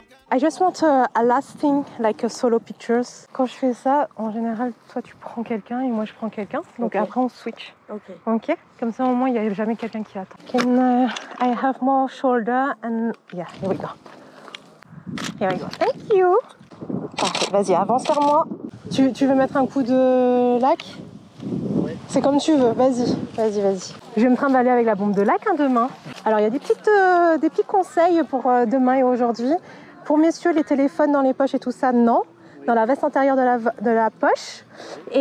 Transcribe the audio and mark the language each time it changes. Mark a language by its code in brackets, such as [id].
[en] I just want a last thing, like a solo pictures. [fr] Quand je fais ça, en général, toi tu prends quelqu'un et moi je prends quelqu'un. Donc okay. Après on switch. Ok. Ok? Comme ça au moins il n'y a jamais quelqu'un qui attend. [en] Can I have more shoulder and... Yeah, here we go. Here we go. Thank you. [fr] Parfait, vas-y, avance vers moi. Tu veux mettre un coup de lac? Ouais. C'est comme tu veux, vas-y. Je vais me trimballer avec la bombe de lac demain. Alors il y a des petits conseils pour demain et aujourd'hui. Pour messieurs, les téléphones dans les poches et tout ça, non. Oui. Dans la veste intérieure de la poche. Oui.